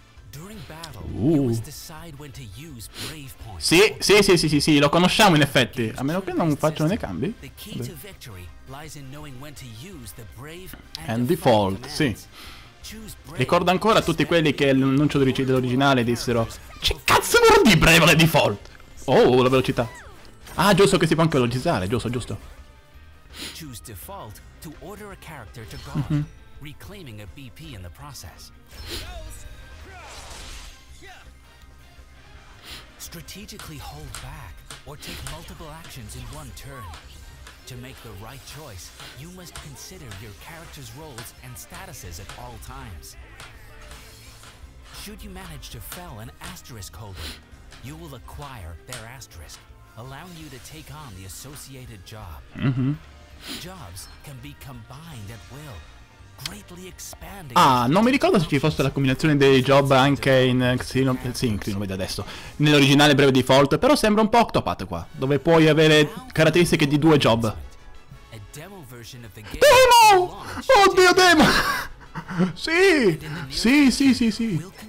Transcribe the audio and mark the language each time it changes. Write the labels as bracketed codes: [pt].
[en] During battle, you must decide when to use brave points. [it] Sì, lo conosciamo in effetti. A meno che non facciano dei cambi. [en] The key to victory lies in knowing when to use the brave and default. Sì. [it] Ricordo ancora tutti quelli che l'annuncio dell'originale dissero: "Ci cazzo vuol dire brave e default?" Oh, la velocità. Ah, giusto che si può anche velocizzare, giusto. [en] Choose default to order a character to go, reclaiming a BP in the process. Strategically hold back or take multiple actions in one turn. To make the right choice, you must consider your character's roles and statuses at all times. Should you manage to fell an asterisk holder, you will acquire their asterisk, allowing you to take on the associated job. Jobs can be combined at will, greatly expanding. [it] Ah, non mi ricordo se ci fosse la combinazione dei job anche in Xenoblade vedo adesso. Nell'originale breve default, però sembra un po' Octopath qua, dove puoi avere caratteristiche di due job. Demo! Oddio, demo! Sì.